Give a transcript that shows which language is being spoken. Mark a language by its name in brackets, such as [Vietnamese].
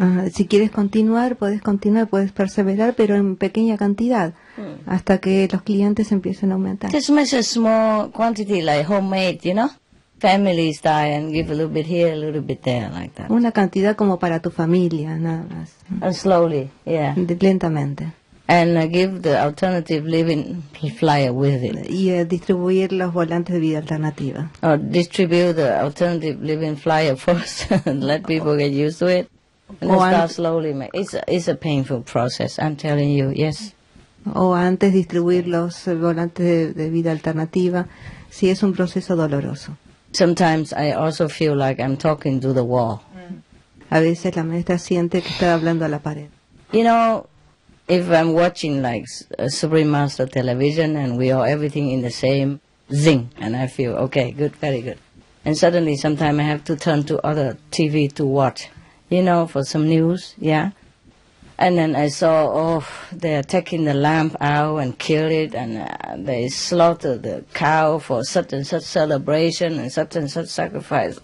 [Spanish] Si quieres continuar, puedes perseverar, pero en pequeña cantidad, hasta que los clientes empiecen a aumentar. [English] Just make a small quantity, like homemade, you know? Family style, and give a little bit here, a little bit there, like that. [Spanish] Una cantidad como para tu familia, nada más. [English] And slowly, yeah. [Spanish] Lentamente. [English] And give the alternative living flyer with it. [Spanish] Y distribuir los volantes de vida alternativa. [English] Or distribute the alternative living flyer first and let people get used to it. And start slowly. It's a painful process, I'm telling you, yes. [Spanish] O antes distribuir los volantes de vida alternativa, si es un proceso doloroso. [English] Sometimes I also feel like I'm talking to the wall. [Spanish] A veces la maestra siente que está hablando a la pared. [English] You know, if I'm watching like Supreme Master television and we are everything in the same zing, and I feel okay, good, very good. And suddenly sometimes I have to turn to other TV to watch, you know, for some news, yeah? And then I saw, oh, they're taking the lamb out and kill it, and they slaughter the cow for such and such celebration and such sacrifice.